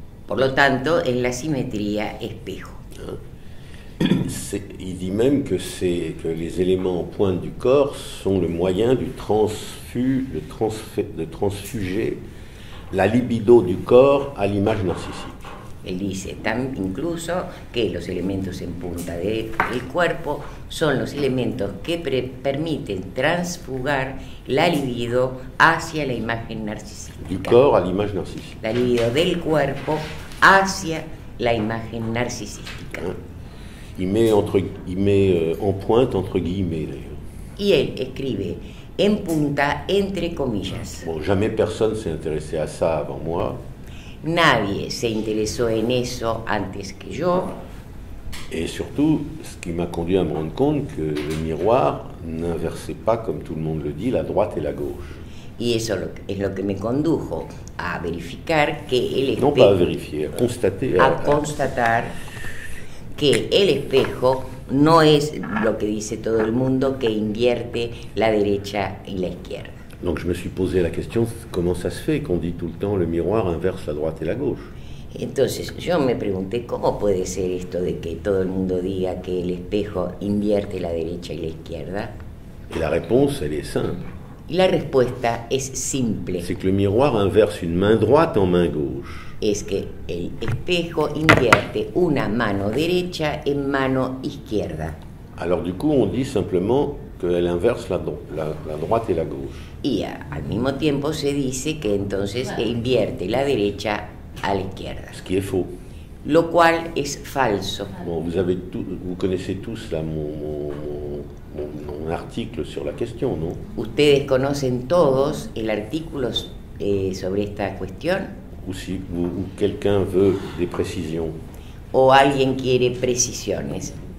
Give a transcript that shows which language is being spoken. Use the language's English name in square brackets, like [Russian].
[Spanish] Por lo tanto, en la simetría espejo. [French] Il dit même que les éléments en pointe du corps sont le moyen du transfuger la libido du corps à l'image narcisique. [Spanish] Él dice incluso que los elementos en punta del cuerpo son los elementos que permiten transfugar la libido hacia la imagen narcisista. [French] Du corps à l'image narcissique. [Spanish] La libido del cuerpo hacia la imagen narcisística. [French] Il met en pointe entre guillemets. [Spanish] Y él escribe en punta entre comillas. [French] Bon, jamais personne s'est intéressé à ça avant moi. [Spanish] Nadie se interesó en eso antes que yo. [French] Et surtout, ce qui m'a conduit à me rendre compte que le miroir n'inversait pas, comme tout le monde le dit, la droite et la gauche. [Spanish] Y eso es lo que me condujo a verificar que el espejo... [French] Non pas à vérifier, à constater... [Spanish] A constatar que el espejo no es lo que dice todo el mundo, que invierte la derecha y la izquierda. [French] Donc je me suis posé la question, comment ça se fait qu'on dit tout le temps le miroir inverse la droite et la gauche? [Spanish] Entonces, yo me pregunté, ¿cómo puede ser esto de que todo el mundo diga que el espejo invierte la derecha y la izquierda? [French] Et la réponse, elle est simple. [Spanish] La respuesta es simple. [French] C'est que le miroir inverse une main droite en main gauche. [Spanish] Es que el espejo invierte una mano derecha en mano izquierda. [French] Alors du coup, on dit simplement qu'elle inverse la droite et la gauche. [Spanish] Y al mismo tiempo se dice que entonces invierte la derecha a la izquierda. [French] Ce qui est faux. [Spanish] Lo cual es falso. [French] Bon, vous connaissez tous là mon article sur la question, non? [Spanish] Ustedes conocen todos el artículo sobre esta cuestión. [French] Ou si ou quelqu'un veut des précisions. [Spanish] O alguien quiere precisiones.